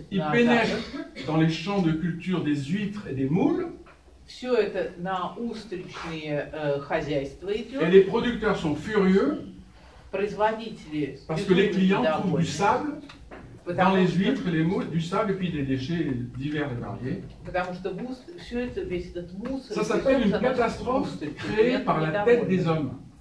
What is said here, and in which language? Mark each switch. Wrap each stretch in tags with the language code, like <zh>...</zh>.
<fr>pénètrent dans les champs de culture des huîtres et des moules.</fr> <ru>Все это на устричные хозяйства идет.</ru> <fr>Et les producteurs sont furieux.</fr> <ru>Производители.</ru> <fr>Parce que les clients trouvent du sable. Dans les huîtres, les moules, du sable et puis des déchets divers et variés. Ça s'appelle une catastrophe créée par la tête des hommes.</fr>